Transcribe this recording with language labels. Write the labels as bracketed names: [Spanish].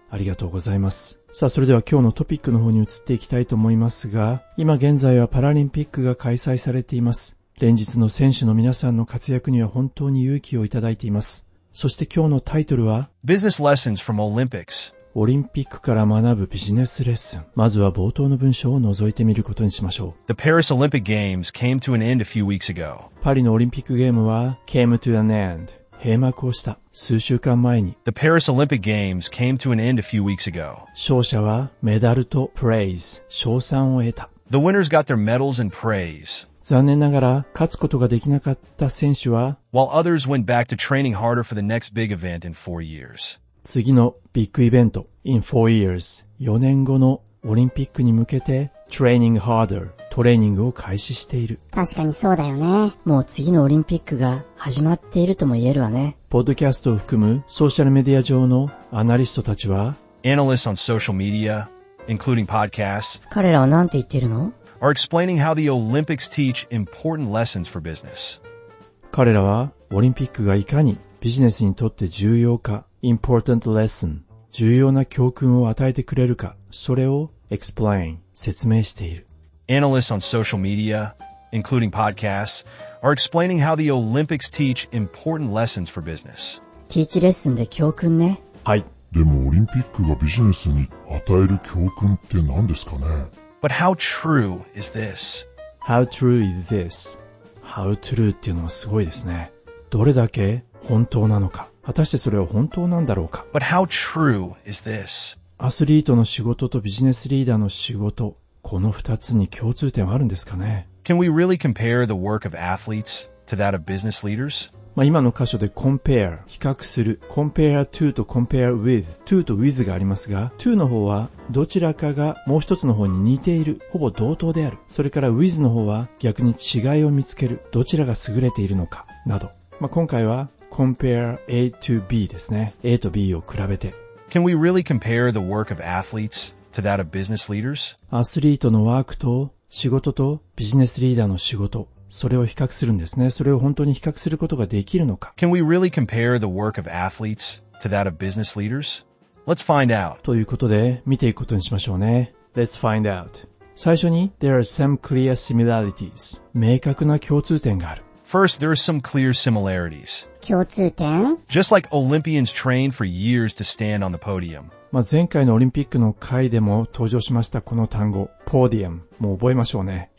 [Japanese] ありがとうございます。さあ、それでは今日のトピックの方に移っていきたいと思いますが、今現在はパラリンピックが開催されています。連日の選手の皆さんの活躍には本当に勇気をいただいています。そして今日のタイトルは [English] Business Lessons from Olympics。 [Japanese] オリンピックから学ぶビジネスレッスン。まずは冒頭の文章を覗いてみることにしましょう。 [English] The Paris Olympic Games came to an end a few weeks ago。 [Japanese] パリのオリンピックゲームは came to an end、閉幕をした。数週間前に。 [English] The Paris Olympic Games came to an end a few weeks ago。 [Japanese] 勝者はメダルと praise、賞賛を得た。 [English] The winners got their medals and praise。 [Japanese] 残念ながら勝つことができなかった選手は、 [English] While others went back to training harder for the next big event in 4 years。 [Japanese] 次のビッグイベント in 4 years、 4年後のオリンピックに向けて training harder、トレーニングを開始している。確かにそうだよね。もう次のオリンピックが始まっているとも言えるわね。ポッドキャストを含むソーシャルメディア上のアナリストたちは、 [English] Analysts on social media including podcasts、 [Japanese] 彼らは何て言ってるの？ [English] Are explaining how the Olympics teach important lessons for business. [Japanese] 彼らはオリンピックがいかにビジネスにとって重要か、 important lesson、重要な教訓を与えてくれるか、それを explain、 説明している。 [English] Analysts on social media, including podcasts, are explaining how the Olympics teach important lessons for business. [Japanese] Teach レッスンで教訓ね。はい。でもオリンピックがビジネスに与える教訓って何ですかね？ [English] But how true is this? How true is this? [Japanese] How true っていうのはすごいですね。どれだけ本当なのか。果たしてそれは本当なんだろうか。 [English] But how true is this? [Japanese] アスリートの仕事とビジネスリーダーの仕事、この二つに共通点はあるんですかね。 [English] Can we really compare the work of athletes to that of business leaders? [Japanese] まあ今の箇所で compare、比較する、compare to と compare with、to と with がありますが、to の方はどちらかがもう一つの方に似ている、ほぼ同等である。それから with の方は逆に違いを見つける、どちらが優れているのか、など。まあ今回は compare A to B ですね。 A と B を比べて。 [English] Can we really compare the work of athletes to that of business leaders? [Japanese] アスリートのワークと仕事とビジネスリーダーの仕事。それを比較するんですね。それを本当に比較することができるのか。 [English] Can we really compare the work of athletes to that of business leaders? Let's find out. [Japanese] ということで、見ていくことにしましょうね。 Let's find out. [English] 最初に There are some clear similarities. [Japanese] 明確な共通点がある。 [English] First, there are some clear similarities. [Japanese] 共通点? [English] Just like Olympians train for years to stand on the podium. [Japanese] まあ前回のオリンピックの回でも登場しましたこの単語 Podium もう覚えましょうね。